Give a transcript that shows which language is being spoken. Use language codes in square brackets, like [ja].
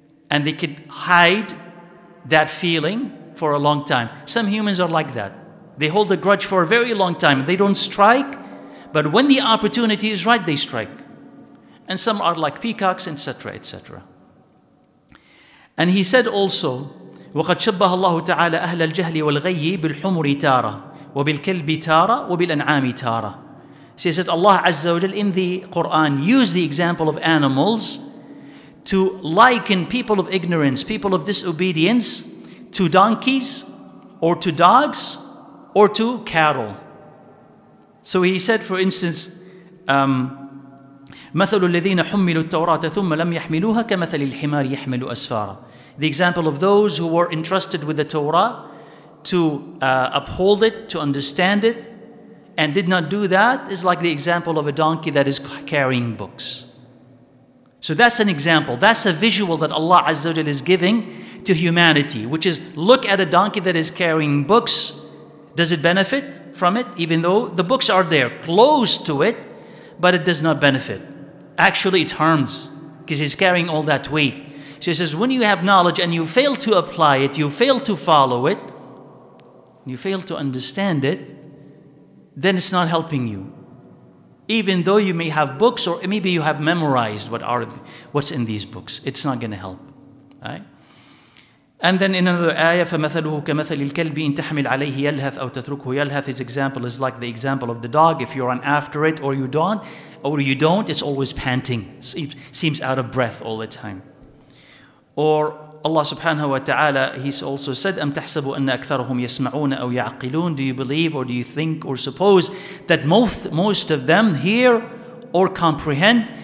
[en] And they could hide that feeling for a long time. Some humans are like that. They hold a grudge for a very long time. They don't strike, but when the opportunity is right, they strike. And some are like peacocks, etc., etc. And he said also, [ar] وَقَدْ شَبَّهَ اللَّهُ تَعَالَى أَهْلَ الْجَهْلِ وَالْغَيِّ بِالْحُمُرِ تَارَ وَبِالْكَلْبِ تَارَ وَبِالْأَنْعَامِ تَارَ. [en] So he said, Allah Azza wa Jal in the Quran used the example of animals to liken people of ignorance, people of disobedience to donkeys or to dogs or to cattle. So he said, for instance, [ar] مَثَلُ الَّذِينَ حُمِّلُوا التَّوْرَاةَ ثُمَّ لَمْ يَحْمِلُوهَا كَمَثَلِ الْحِمَارِ يَحْمِلُ أَسْفَارًا. [en] The example of those who were entrusted with the Torah to uphold it, to understand it, and did not do that is like the example of a donkey that is carrying books. So that's an example. That's a visual that Allah Azza wa Jalla is giving to humanity, which is look at a donkey that is carrying books. Does it benefit from it? Even though the books are there, close to it, but it does not benefit. Actually, it harms because he's carrying all that weight. So he says, when you have knowledge and you fail to apply it, you fail to follow it, you fail to understand it, then it's not helping you. Even though you may have books or maybe you have memorized what's in these books, it's not going to help. Right? And then in another ayah, [ar] فَمَثَلُهُ كَمَثَلِ الْكَلْبِ إِن تَحْمِلْ عَلَيْهِ يَلْهَثْ أَوْ تَتْرُكُهُ يَلْهَثْ. [en] His example is like the example of the dog. If you're on after it or you don't, it's always panting. It seems out of breath all the time. Or Allah subhanahu wa ta'ala, he also said, [ar] أَمْ تَحْسَبُ أَنَّ أَكْثَرَهُمْ يَسْمَعُونَ أَوْ يَعْقِلُونَ. [en] Do you believe or do you think or suppose that most of them hear or comprehend?